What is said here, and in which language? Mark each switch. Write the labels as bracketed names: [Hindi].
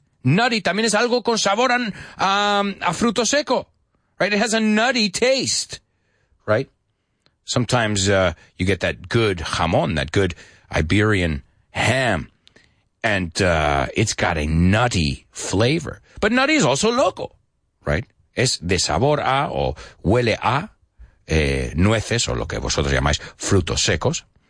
[Spanish] Nutty también es algo con sabor a fruto seco, right? [English] It has a nutty taste, right? Sometimes you get that good jamón, that good Iberian ham, and it's got a nutty flavor. But nutty is also loco, right? [Spanish] Es de sabor a o huele a nueces o lo que vosotros llamáis frutos secos.